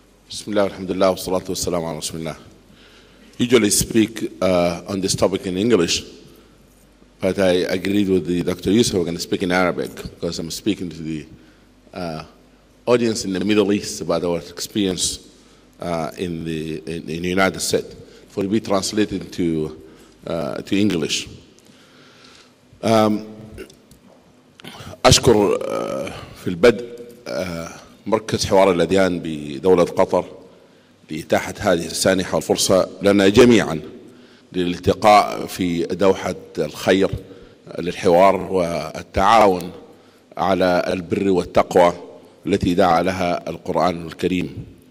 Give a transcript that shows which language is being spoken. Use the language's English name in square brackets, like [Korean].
[Arabic] بسم الله الحمد لله والصلاة والسلام على رسول الله. [English] Usually speak on this topic in English. But I agreed with the Dr. Yusuf, we're going to speak in Arabic because I'm speaking to the audience in the Middle East about our experience in the United States for it to be translated to English. [Arabic] أشكر في البدء مركز حوار الأديان بدولة قطر لإتاحة هذه السانحة والفرصة لنا جميعا للالتقاء في دوحة الخير للحوار والتعاون على البر والتقوى التي دعا لها القرآن الكريم.